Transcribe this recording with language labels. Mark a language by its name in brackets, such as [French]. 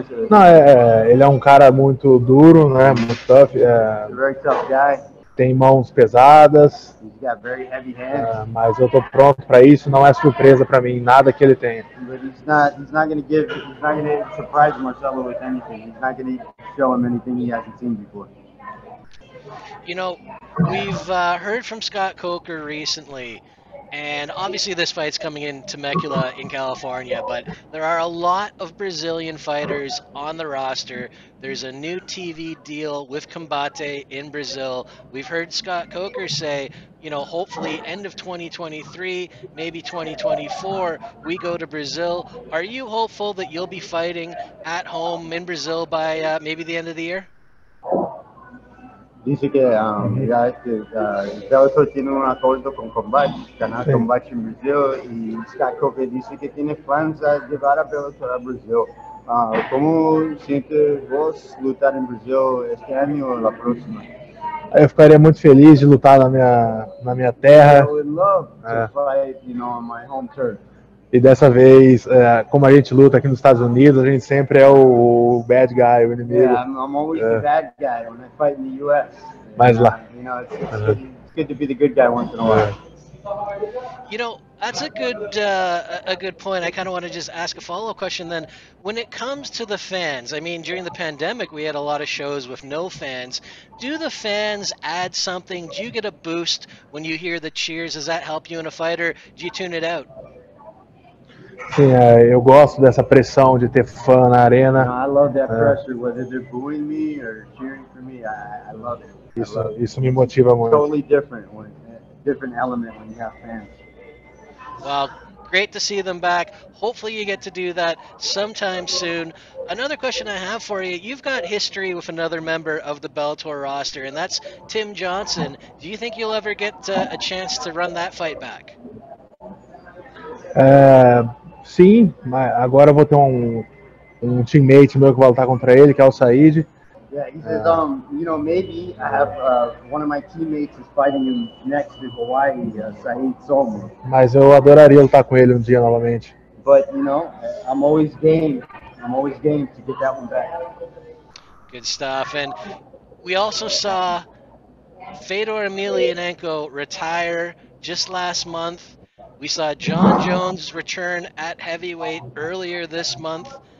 [Portuguese] Não, ele é um cara muito duro, né? Muito tough. [English] Very tough guy. [Portuguese] Tem mãos pesadas. [English] He's got very heavy hands. [Portuguese] Mas eu tô pronto para isso. Não é surpresa para mim nada que ele tenha. [English] He's not gonna surprise Marcelo with anything. He's not gonna show him anything he hasn't seen before. You know, we've heard from Scott Coker recently, and obviously this fight's coming in Temecula in California, but there are a lot of Brazilian fighters on the roster. There's a new TV deal with Combate in Brazil. We've heard Scott Coker say, you know, hopefully end of 2023, maybe 2024, we go to Brazil. Are you hopeful that you'll be fighting at home in Brazil by maybe the end of the year? [Spanish] Dice que ya Bellator tiene un acuerdo con Combate, canal Sí. Combate en Brasil, y Scott Coker dice que tiene planes de llevar a Bellator a Brasil. ¿Cómo sientes vos luchar en Brasil este año o la próxima? [Portuguese] Eu ficaria muito feliz de lutar na minha terra. [English] I would love to fight, you know, on my home turf. [Portuguese] E dessa vez, como a gente luta aqui nos Estados Unidos, a gente sempre é o [English] bad guy, [Portuguese] o inimigo. [English] Yeah, I'm always the bad guy when I fight in the US. [Portuguese] Mas lá. [English] You know, it's good to be the good guy once in a while. You know, that's a good point. I kind of want to just ask a follow-up question then. When it comes to the fans, I mean, during the pandemic, we had a lot of shows with no fans. Do the fans add something? Do you get a boost when you hear the cheers? Does that help you in a fight, or do you tune it out? [Portuguese] Sim, eu gosto dessa pressão de ter fã na arena. [English] I love that pressure, whether they're booing me or cheering for me. I love it. [Portuguese] Isso me motiva muito. [English] Totally different element when you have fans. Well, great to see them back. Hopefully you get to do that sometime soon. Another question I have for you, you've got history with another member of the Bellator roster, and that's Tim Johnson. Do you think you'll ever get a chance to run that fight back? [Portuguese] Sim, mas agora eu vou ter um teammate meu que vai lutar contra ele, que é o Said. [English] Yeah, he says, you know, maybe I have one of my teammates is fighting him next in Hawaii, Said Somo. [Portuguese] Mas eu adoraria lutar com ele dia novamente. [English] But, you know, I'm always game. I'm always game to get that one back. Good stuff. And we also saw Fedor Emelianenko retire just last month. We saw Jon Jones return at heavyweight earlier this month.